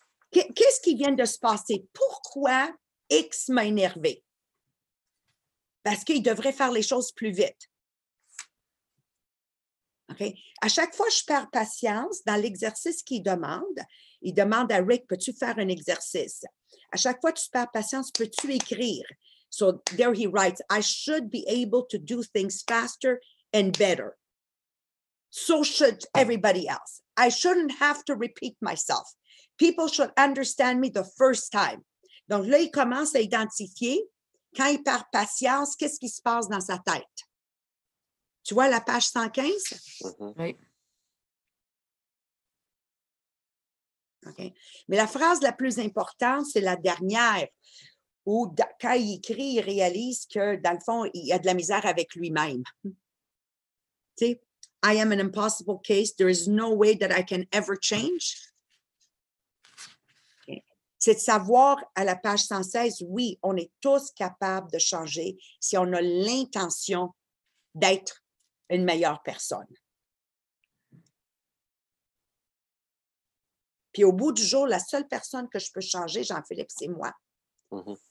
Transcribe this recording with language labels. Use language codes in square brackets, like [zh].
[fr] Qu'est-ce qui vient de se passer? Pourquoi? X m'a énervé parce qu'il devrait faire les choses plus vite. OK? À chaque fois, je perds patience dans l'exercice qu'il demande. Il demande à Rick, peux-tu faire un exercice? À chaque fois que tu perds patience, peux-tu écrire? [en] So, there he writes, I should be able to do things faster and better. So should everybody else. I shouldn't have to repeat myself. People should understand me the first time. [fr] Donc là, il commence à identifier, quand il perd patience, qu'est-ce qui se passe dans sa tête? Tu vois la page 115? Oui. OK. Mais la phrase la plus importante, c'est la dernière, où quand il écrit, il réalise que, dans le fond, il a de la misère avec lui-même. Tu sais, [en] I am an impossible case. There is no way that I can ever change. [fr] C'est de savoir, à la page 116, oui, on est tous capables de changer si on a l'intention d'être une meilleure personne. Puis au bout du jour, la seule personne que je peux changer, Jean-Philippe, c'est moi. Mm-hmm.